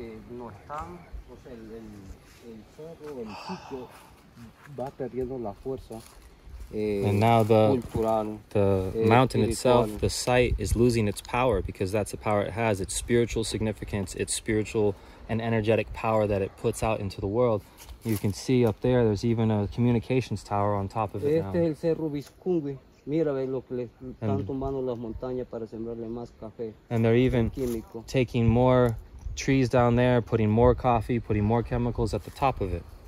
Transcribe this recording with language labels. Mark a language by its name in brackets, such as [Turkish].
[Spanish] No están, o sea, el cerro, el pico va perdiendo la fuerza. [English] And now the mountain itself, the site, is losing its power because that's the power it has, its spiritual significance, its spiritual and energetic power that it puts out into the world. You can see up there, there's even a communications tower on top of it now. [Spanish] Es el Cerro Bisikungwi. Mira, ve lo que le están tomando las montañas para sembrarle más café. [English] And they're even taking more trees down there, putting more coffee, putting more chemicals at the top of it.